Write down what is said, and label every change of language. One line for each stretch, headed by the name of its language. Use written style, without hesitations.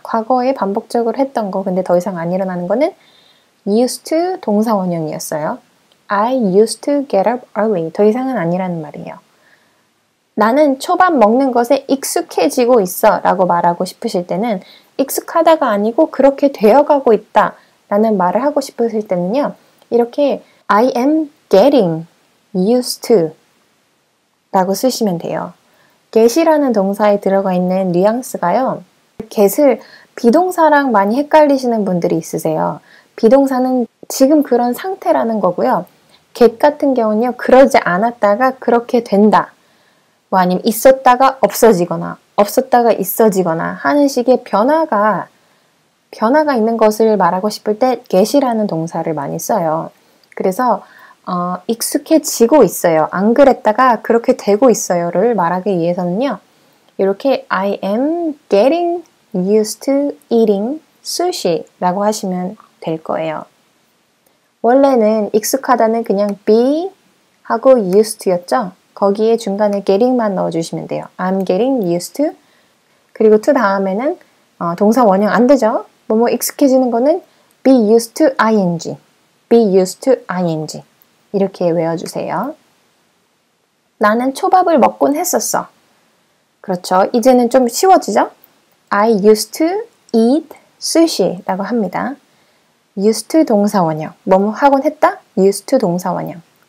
Korean: 과거에 반복적으로 했던 거. 근데 더 이상 안 일어나는 거는 used to 동사 원형이었어요.
English: I used to get up early.
Korean: 더 이상은 아니라는 말이에요. 나는 초밥 먹는 것에 익숙해지고 있어라고 말하고 싶으실 때는 익숙하다가 아니고 그렇게 되어가고 있다라는 말을 하고 싶으실 때는요.
English: 이렇게 I am getting used to
Korean: 라고 쓰시면 돼요. get이라는 동사에 들어가 있는 뉘앙스가요. get을 비동사랑 많이 헷갈리시는 분들이 있으세요. 비동사는 지금 그런 상태라는 거고요. get 같은 경우는요. 그러지 않았다가 그렇게 된다. 뭐 아니면 있었다가 없어지거나 없었다가 있어지거나 하는 식의 변화가 있는 것을 말하고 싶을 때 get이라는 동사를 많이 써요. 그래서 익숙해지고 있어요. 안 그랬다가 그렇게 되고 있어요를 말하기 위해서는요.
English: 이렇게 I am getting used to eating sushi라고
Korean: 하시면 될 거예요. 원래는 익숙하다는 그냥 be 하고 used였죠. 거기에 중간에 getting만 넣어주시면 돼요.
English: I'm getting used to.
Korean: 그리고 to 다음에는 동사 원형 안 되죠. 뭐뭐 익숙해지는 거는 be used to ing. be used to ing. 이렇게 외워주세요. 나는 초밥을 먹곤 했었어. 그렇죠. 이제는 좀 쉬워지죠?
English: I used to eat sushi라고 합니다. used to 동사원형.
Korean: 뭐뭐 하곤 했다?
English: used to 동사원형.